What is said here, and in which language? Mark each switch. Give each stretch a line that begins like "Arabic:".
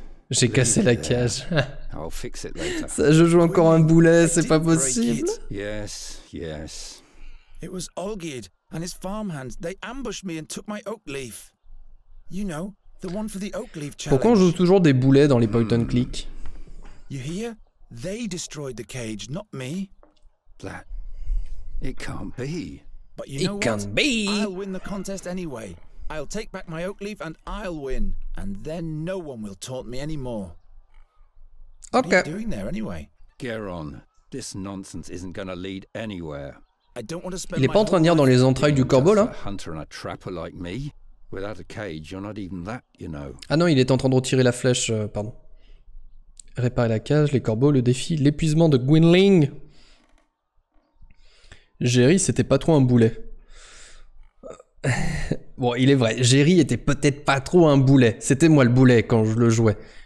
French: J'ai cassé la cage. Ça, je joue encore un boulet, c'est pas possible.
English: Yes, yes. It was Olgid. and his farmhands, they ambushed me and took my oak leaf. You know, the one for the oak leaf challenge.
French: Pourquoi on joue toujours des boulets dans les point and click?
English: You hear? They destroyed the cage, not me. That... it can't be. But you know it what? Can be! I'll win the contest anyway. I'll take back my oak leaf and I'll win. And then no one will taunt me anymore. Okay. What are you doing there anyway? Geron, this nonsense isn't gonna lead anywhere. I don't want to spend
French: Il est pas en train de venir dans les entrailles du corbeau là.
English: Hunter and a trapper like me. Without a cage, you're not even that, you know.
French: Ah non, il est en train de retirer la flèche, pardon. Réparer la cage, les corbeaux, le défi, l'épuisement de Gwynling. Jerry, c'était pas trop un boulet. Bon, il est vrai, Jerry était peut-être pas trop un boulet. C'était moi le boulet quand je le jouais.